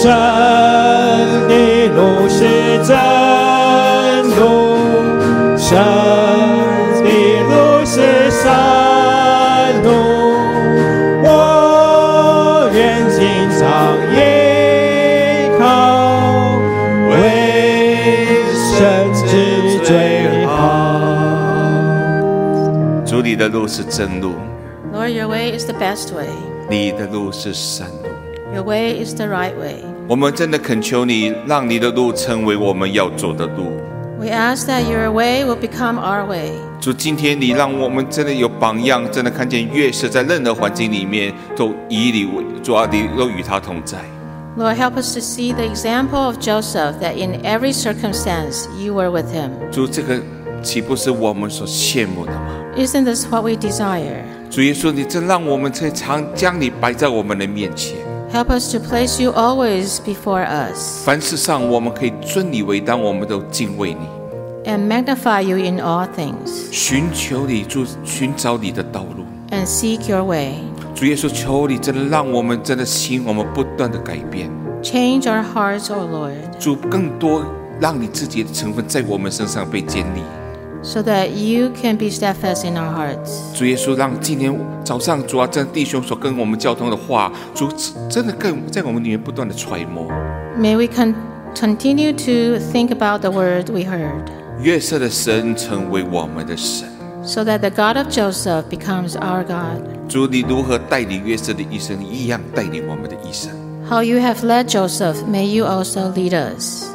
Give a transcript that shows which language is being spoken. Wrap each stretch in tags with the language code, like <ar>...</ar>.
<zh>生的路是真路，生的路是善路，我愿经常依靠，为生之最好。主，你的路是真路。</zh> <en>Lord, your way is the best way.</en> <zh>你的路是善路。</zh> <en>Your way is the right way.</en> <zh>我们真的恳求你，让你的路成为我们要走的路。</zh> <en>We ask that your way will become our way.</en> <zh>主，今天你让我们真的有榜样，真的看见约瑟在任何环境里面都以你为主，你都与他同在。</zh> <en>Lord, help us to see the example of Joseph that in every circumstance you were with him.</en> <zh>主，这个岂不是我们所羡慕的吗？</zh> <en>Isn't this what we desire?</en> <zh>主耶稣，你真让我们常将你摆在我们的面前。</zh> <en>Help us to place you always before us.</en> <zh>凡事上我们可以尊你为当，我们都敬畏你。</zh> <en>And magnify you in all things.</en> <zh>寻求你，主，寻找你的道路。</zh> <en>And seek your way.</en> <zh>主耶稣，求你真的让我们真的心，我们不断的改变。</zh> <en>Change our hearts, O Lord.</en> <zh>主，更多让你自己的成分在我们身上被建立。</zh> <en>So that you can be steadfast in our hearts.</en> <zh>主耶稣，让今天早上主啊，这弟兄所跟我们交通的话，主真的更在我们里面不断的揣摩。</zh> <en>May we continue to think about the word we heard.</en> <zh>约瑟的神成为我们的神。</zh> <en>So that the God of Joseph becomes our God.</en> <zh>主，你如何带领约瑟的一生，一样带领我们的一生。</zh> <en>How you have led Joseph, may you also lead us.</en>